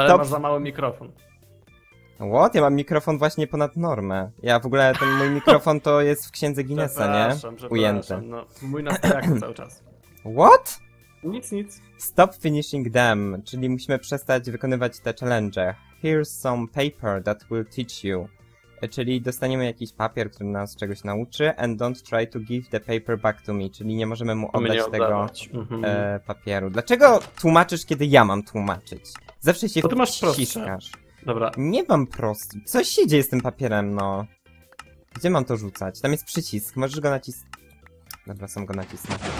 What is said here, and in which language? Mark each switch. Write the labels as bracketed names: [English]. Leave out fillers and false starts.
[Polish] Ale masz za mały mikrofon. [English] What? [Polish] Ja mam mikrofon właśnie ponad normę. Ja w ogóle, ten mój mikrofon to jest w księdze Guinnessa, nie? Ujęty. No, mój nastawiak cały czas. [English] What? [Polish] Nic. [English] Stop finishing them, [Polish] czyli musimy przestać wykonywać te challenge. [English] Here's some paper that will teach you. [Polish] Czyli dostaniemy jakiś papier, który nas czegoś nauczy. [English] And don't try to give the paper back to me. [Polish] Czyli nie możemy mu oddać tego papieru. Dlaczego tłumaczysz, kiedy ja mam tłumaczyć? Zawsze się wciskasz. Dobra. Nie mam prosty. Co się dzieje z tym papierem, no? Gdzie mam to rzucać? Tam jest przycisk. Możesz go nacisnąć. Dobra, sam go nacisnę.